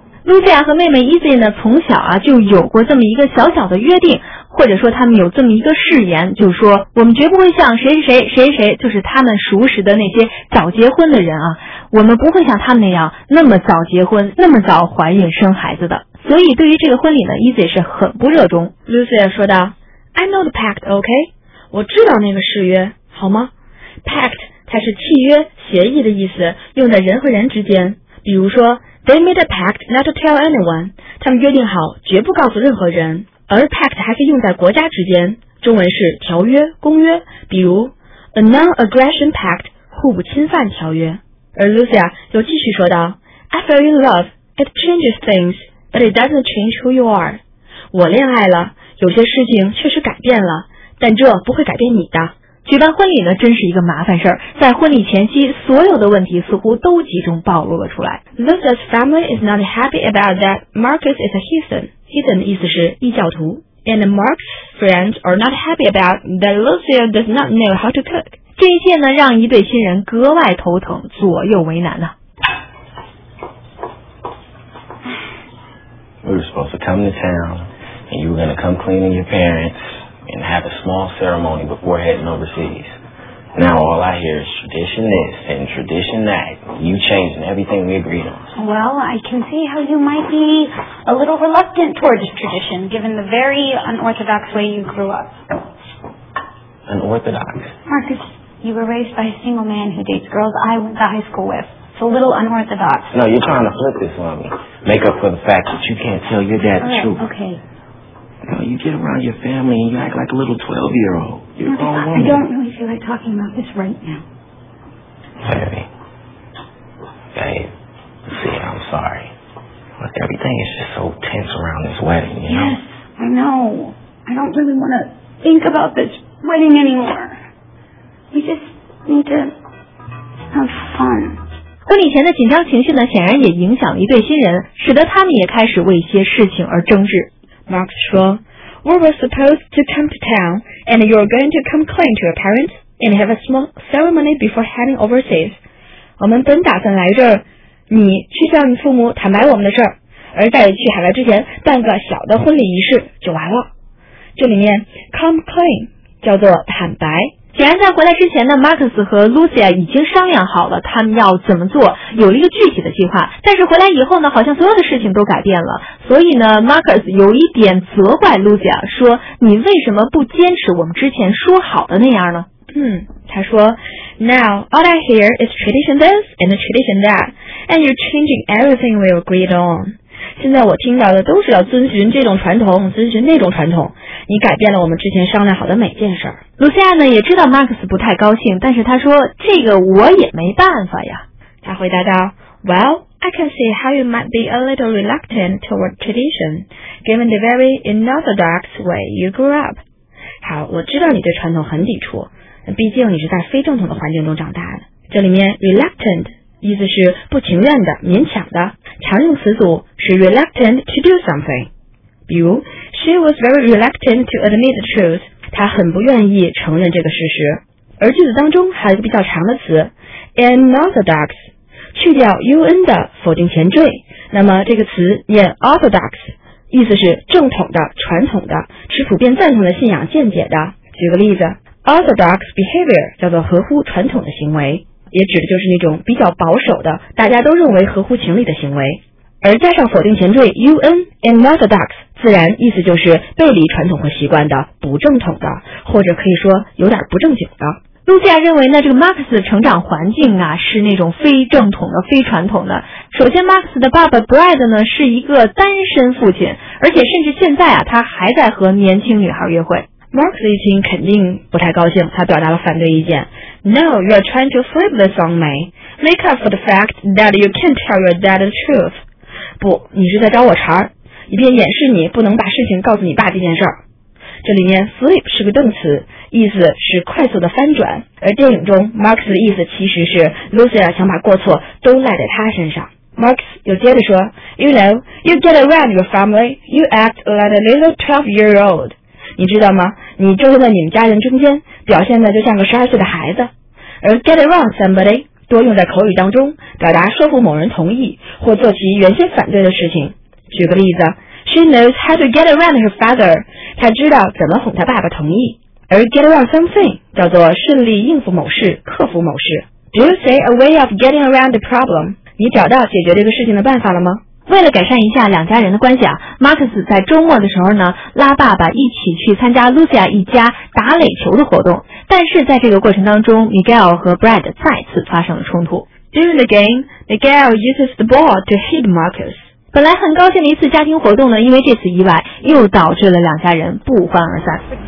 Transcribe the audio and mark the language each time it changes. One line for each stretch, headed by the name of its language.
Chinese: 露西亚和妹妹伊泽呢，从小啊就有过这么一个小小的约定，或者说他们有这么一个誓言，就是说我们绝不会像谁谁谁谁谁，就是他们熟识的那些早结婚的人啊，我们不会像他们那样那么早结婚，那么早怀孕生孩子的。所以对于这个婚礼呢，伊泽是很不热衷。露西亚说道
English: ：“I know the pact, OK？
Chinese: 我知道那个誓约，好吗 ？Pact 它是契约、协议的意思，用在人和人之间，比如说。”
English: They made a pact not to tell anyone.
Chinese: 他们约定好绝不告诉任何人。而 pact 还可以用在国家之间，中文是条约、公约，比如
English: a non-aggression pact
Chinese: 互不侵犯条约。
English: 而 Lucia
Chinese: 又继续说道
English: ：“I fell in love. It changes things, but it doesn't change who you are.
Chinese: 我恋爱了，有些事情确实改变了，但这不会改变你的。” 举办婚礼呢，真是一个麻烦事儿。在婚礼前期，所有的问题似乎都集中暴露了出来。
English: Lisa's family is not happy about that. Marcus is a heathen.
Chinese: Heathen 的意思是异教徒。
English: And Mark's friends are not happy about that Lucia does not know how to cook.
Chinese: 这一切呢，让一对新人格外头疼，左右为难呢、啊。
English: We were supposed to come to town, and you were going to come clean to your parents. And have a small ceremony before heading overseas. Now all I hear is tradition this and tradition that. You changing everything we agreed on. Well, I can see how you might be a little reluctant towards tradition, given the very unorthodox way you grew up. Unorthodox? Marcus, you were raised by a single man who dates girls I went to high school with. It's a little unorthodox. No, you're trying to flip this on me. Make up for the fact that you can't tell your dad the truth. Okay. No, you get around your family and you act like a little 12-year-old. You're a grown woman. I don't really feel like talking about this right now. Baby. Babe. See, I'm sorry. Look, everything is just so tense around this wedding, you know? Yes, I know. I don't really want to think about this wedding anymore. We just need to have fun.
Chinese: 婚礼前的紧张情绪呢，显然也影响了一对新人，使得他们也开始为一些事情而争执。
English: Mark 说 ,We were supposed to come to town, and you're going to come clean to your parents, and have a small ceremony before heading overseas.
Chinese: 我们本打算来这儿，你去向父母坦白我们的事儿，而在去海外之前办个小的婚礼仪式就完了。这里面 come clean 叫做坦白。显然在回来之前呢 ,Marcus 和 Lucia 已经商量好了他们要怎么做，有了一个具体的计划。但是回来以后呢，好像所有的事情都改变了。所以呢 ,Marcus 有一点责怪 Lucia， 说你为什么不坚持我们之前说好的那样呢？
English: 他说 ,Now, all I hear is tradition this and tradition that, and you're changing everything we agreed on.
Chinese: 现在我听到的都是要遵循这种传统，遵循那种传统，你改变了我们之前商量好的每件事。露西亚呢也知道 Max 不太高兴，但是他说这个我也没办法呀。他回答道
English: Well, I can see how you might be a little reluctant toward tradition, given the very unorthodox way you grew up.
Chinese: 好，我知道你对传统很抵触，毕竟你是在非正统的环境中长大的。这里面 reluctant意思是不情愿的、勉强的，常用词组是
English: reluctant to do something。比如 ，She was very reluctant to admit the truth。
Chinese: 她很不愿意承认这个事实。而句子当中还有一个比较长的词 ，unorthodox， 去掉 un 的否定前缀，那么这个词念 orthodox， 意思是正统的、传统的、持普遍赞同的信仰见解的。举个例子 ，orthodox behavior 叫做合乎传统的行为。也指的就是那种比较保守的，大家都认为合乎情理的行为。而加上否定前缀 un and orthodox， 自然意思就是背离传统和习惯的、不正统的，或者可以说有点不正经的。露西亚认为呢，这个 Max 的成长环境啊是那种非正统的、非传统的。首先 ，Max 的爸爸 Brad 呢是一个单身父亲，而且甚至现在啊他还在和年轻女孩约会。 Mark 一听肯定不太高兴，他表达了反对意见。
English: No, you are trying to flip this on me. Make up for the fact that you can't tell your dad the truth.
Chinese: 不，你是在找我茬，以便掩饰你不能把事情告诉你爸这件事儿。这里面 flip 是个动词，意思是快速的翻转。而电影中 Mark 的意思其实是 Lucia 想把过错都赖在他身上。
English: Mark
Chinese: 又接着说
English: You know, you get around your family, you act like a little 12-year-old.
Chinese: 你知道吗？你就是在你们家人中间表现的就像个12岁的孩子。而 get around somebody 多用在口语当中，表达说服某人同意或做其原先反对的事情。举个例子，
English: She knows how to get around her father.
Chinese: 她知道怎么哄她爸爸同意。而 get around something 叫做顺利应付某事，克服某事。
English: Do you see a way of getting around the problem?
Chinese: 你找到解决这个事情的办法了吗？为了改善一下两家人的关系啊， Marcus 在周末的时候呢，拉爸爸一起去参加 Lucia 一家打垒球的活动。但是在这个过程当中， Miguel 和 Brad 再次发生了冲突。
English: During the game, Miguel uses the ball to hit Marcus.
Chinese: 本来很高兴的一次家庭活动呢，因为这次意外又导致了两家人不欢而散。